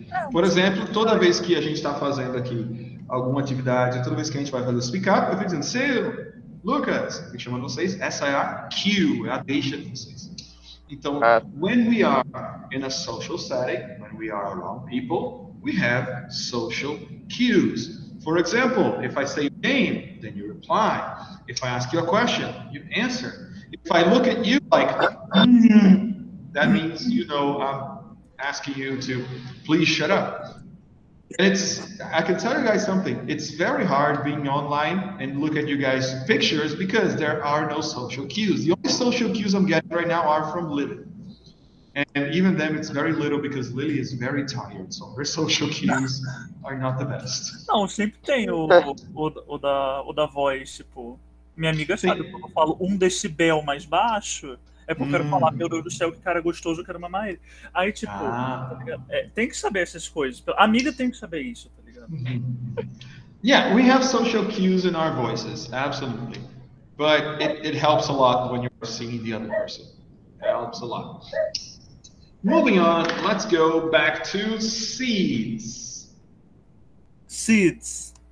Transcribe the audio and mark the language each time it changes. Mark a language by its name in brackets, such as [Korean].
[Portuguese] Por exemplo, toda vez que a gente está fazendo aqui alguma atividade, toda vez que a gente vai fazer o speak up, eu fico dizendo, seu, Lucas, me chamando vocês, essa é a cue, é a deixa de vocês. Então, [English] when we are in a social setting, when we are around people, we have social cues. For example, if I say your name, then you reply. If I ask you a question, you answer. If I look at you like, that means, you know, I'm asking you to please shut up. I can tell you guys something. It's very hard being online and look at you guys' pictures because there are no social cues. The only social cues I'm getting right now are from Lily. And even then, it's very little because Lily is very tired. So her social cues are not the best. [Portuguese] Não, sempre tem o da voz, tipo... Minha amiga sabe, quando eu falo decibel mais baixo... É porque eu quero falar, meu Deus do céu, que cara gostoso, eu quero mamar ele. Aí, tipo, tá ligado? É, tem que saber essas coisas. A amiga tem que saber isso, tá ligado? [English] Yeah, we have social cues in our voices, absolutely. But it helps a lot when you're seeing the other person. It helps a lot. Moving on, let's go back to seeds. Seeds.